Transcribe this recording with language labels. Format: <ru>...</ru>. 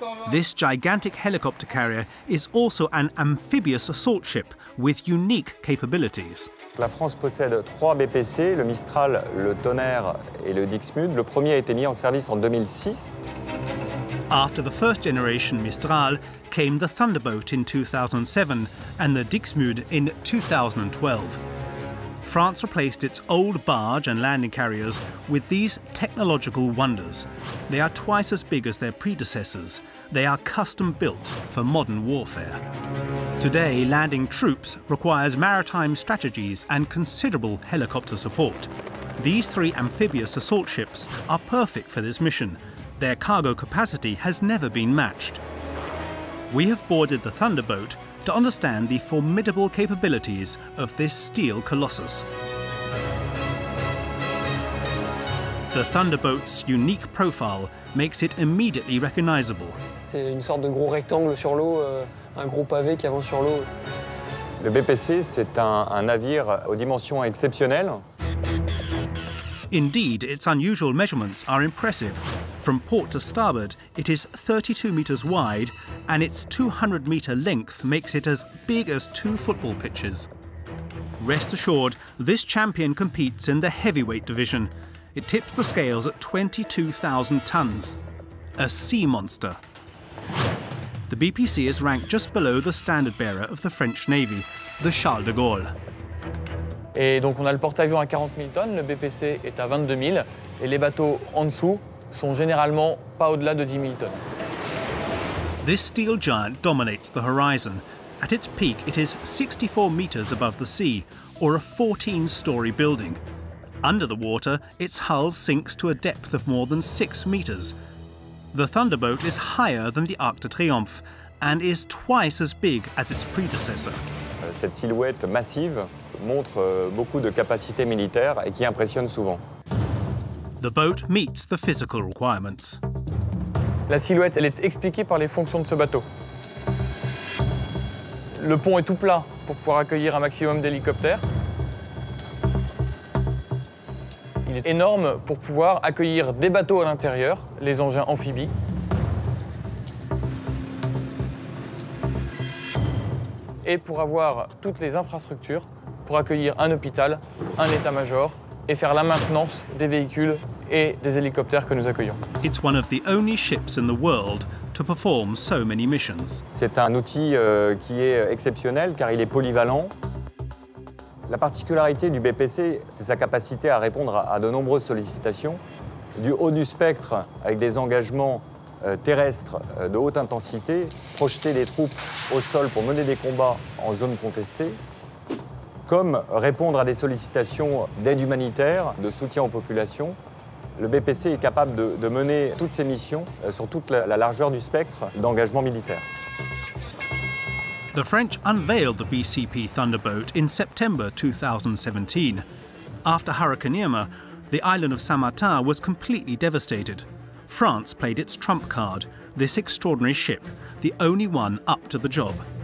<en>This gigantic helicopter carrier is also an amphibious assault ship with unique capabilities.</en> <fr>La France possède trois BPC, le Mistral, le Tonnerre et le Dixmude. Le premier a été mis en service en 2006.</fr> <en>After the first generation Mistral came the Thunderboat in 2007 and the Dixmude in 2012. France replaced its old barge and landing carriers with these technological wonders. They are twice as big as their predecessors. They are custom built for modern warfare. Today, landing troops requires maritime strategies and considerable helicopter support. These three amphibious assault ships are perfect for this mission. Their cargo capacity has never been matched. We have boarded the Thunderboat to understand the formidable capabilities of this steel colossus. The Thunderboat's unique profile makes it immediately recognizable.</en> <fr>C'est une sorte de gros rectangle sur l'eau, un gros pavé qui avance sur l'eau. Le BPC, c'est un navire aux dimensions exceptionnelles.</fr> <en>Indeed, its unusual measurements are impressive. From port to starboard, it is 32 meters wide, and its 200 meter length makes it as big as two football pitches. Rest assured, this champion competes in the heavyweight division. It tips the scales at 22,000 tons, a sea monster. The BPC is ranked just below the standard bearer of the French Navy, the Charles de Gaulle.</en> <fr>Et donc on a le porte-avions à 40 000 tonnes, le BPC est à 22 000, et les bateaux en dessous sont généralement pas au-delà de 10 000 tonnes.</fr> <en>This steel giant dominates the horizon, At its peak, it is 64 meters above the sea, or a 14-story building. Under the water, its hull sinks to a depth of more than 6 meters. The Thunderboat is higher than the Arc de Triomphe and is twice as big as its predecessor.</en> <fr>Cette silhouette massive montre beaucoup de capacités militaires et qui impressionne souvent.</fr> <en>The boat meets the physical requirements.</en> <fr>La silhouette, elle est expliquée par les fonctions de ce bateau. Le pont est tout plat pour pouvoir accueillir un maximum d'hélicoptères. Il est énorme pour pouvoir accueillir des bateaux à l'intérieur, les engins amphibies. Et pour avoir toutes les infrastructures pour accueillir un hôpital, un état-major et faire la maintenance des véhicules et des hélicoptères que nous accueillons.</fr> <en>It's one of the only ships in the world to perform so many missions.</en> <fr>C'est un outil qui est exceptionnel car il est polyvalent. La particularité du BPC, c'est sa capacité à répondre à de nombreuses sollicitations, du haut du spectre avec des engagements terrestres de haute intensité, projeter des troupes au sol pour mener des combats en zone contestée, comme répondre à des sollicitations d'aide humanitaire, de soutien aux populations. Le BPC est capable de mener toutes ses missions sur toute la largeur du spectre d'engagement militaire.</fr> <en>The French unveiled the BCP Thunderboat in September 2017. After Hurricane Irma, the island of Saint-Martin was completely devastated. France played its trump card, this extraordinary ship, the only one up to the job.</en>